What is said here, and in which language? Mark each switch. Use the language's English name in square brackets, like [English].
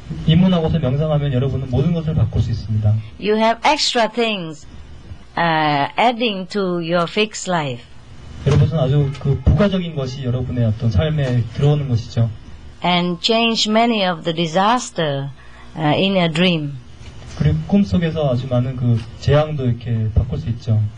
[Korean] 입문하고서 명상하면 여러분은 모든 것을 바꿀 수 있습니다. [English] You have extra things adding to your fixed life. [Korean] 여러분은 아주 그 부가적인 것이 여러분의 어떤 삶에 들어오는 것이죠. [English] And change many of the disaster in a dream. [Korean] 그리고 꿈 속에서 아주 많은 그 재앙도 이렇게 바꿀 수 있죠.